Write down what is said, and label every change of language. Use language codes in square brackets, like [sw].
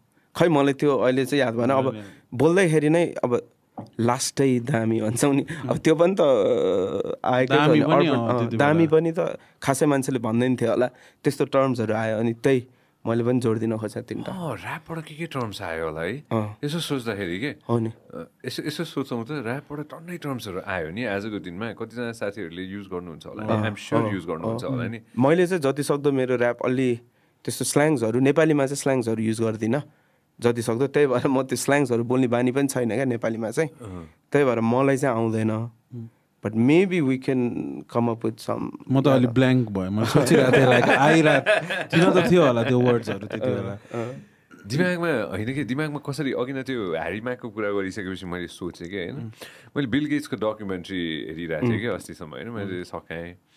[ne] खै मलाई त्यो अहिले चाहिँ याद भएन. अब बोल्दैखेरि नै अब लास्टै दामी भन्छौँ नि. अब त्यो पनि त आएकै दामी पनि त खासै मान्छेले भन्दैन थियो होला. त्यस्तो टर्म्सहरू आयो अनि त्यही मैले पनि जोडिदिन खोजेँ तिनवटा. ऱ्यापबाट के के टर्म्स आयो होला है यसो सोच्दाखेरि के हो नि. यसो यसो सोचौँ त, ऱ्यापबाट टन्नै टर्म्सहरू आयो नि आजको दिनमा. कतिजना साथीहरूले युज गर्नुहुन्छ होला, [en] I am sure [ne] युज गर्नुहुन्छ होला नि. मैले चाहिँ जतिसक्दो मेरो ऱ्याप अलि त्यस्तो स्ल्याङ्सहरू नेपालीमा चाहिँ स्ल्याङ्सहरू युज गर्दिनँ जतिसक्दो. त्यही भएर म त्यो स्ल्याङ्सहरू बोल्ने बानी पनि छैन क्या नेपालीमा चाहिँ. त्यही भएर मलाई चाहिँ आउँदैन. [en] But maybe we can come up with some. [ne] म त अलिक ब्ल्याङ्क भयो, म सोचिरहेको थिएँ लाइक आइरहेको त थियो होला त्यो वर्ड्सहरू त्यति बेला दिमागमा. होइन कि दिमागमा कसरी, अघि नै त्यो ह्यारिमाको कुरा गरिसकेपछि मैले सोचेँ कि होइन, मैले बिल गेट्सको डकुमेन्ट्री हेरिरहेको थिएँ कि अस्तिसम्म होइन, मैले सकाएँ.